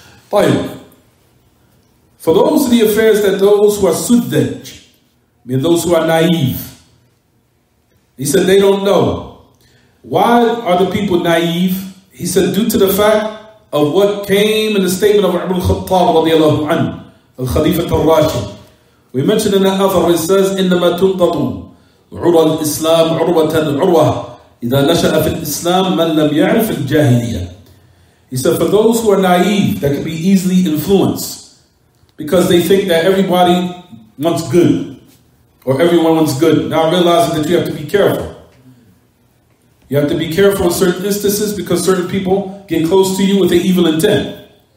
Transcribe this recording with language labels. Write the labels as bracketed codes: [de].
[en] Tayyib. For those in the affairs that those who are suddaj, mean those who are naive, he said they don't know. Why are the people naive? He said due to the fact of what came in the statement of Umar al-Khattab radiallahu anhu, al-Khalifa al-Rashid. We mentioned in the other, it says, [ar] إِنَّمَا تُنْطَطُوا عُرَى الْإِسْلَامِ عُرْوَةً عُرْوَةً إِذَا نَشَأَ فِي الْإِسْلَامِ مَنْ لَمْ يَعْرِفِ الْجَاهِلِيَةِ. [en] He said, for those who are naive, that can be easily influenced because they think that everybody wants good or everyone wants good. Now realizing that you have to be careful. You have to be careful in certain instances because certain people get close to you with an evil intent.